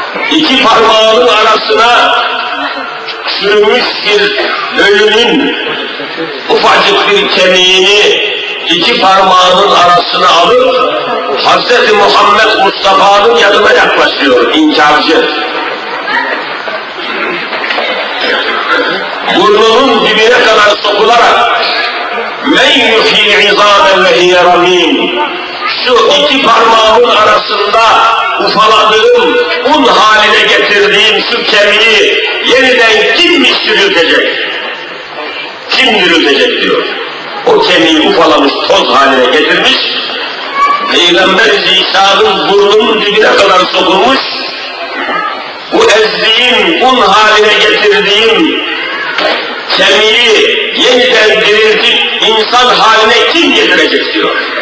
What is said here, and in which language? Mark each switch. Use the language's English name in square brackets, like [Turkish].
[Turkish] İki parmağının arasına çürümüş bir ölünün ufacık bir kemiğini iki parmağının arasına alıp Hazreti Muhammed Mustafa'nın yanına yaklaşıyor inkarcı. Burnunun dibine kadar sokularak [Arabic] مَنْ يُحْيِي الْعِظَامَ وَهِيَ رَمِيمٌ. [Turkish] Şu iki parmağımın arasında ufaladığım, un haline getirdiğim şu kemiği yeniden kimmiş diriltecek? Kim diriltecek diyor. O kemiği ufalamış, toz haline getirmiş, Peygamber Zişan'ın burnunun dibine kadar sokulmuş, bu ezdiğim, un haline getirdiğim kemiği yeniden diriltip insan haline kim getirecek diyor.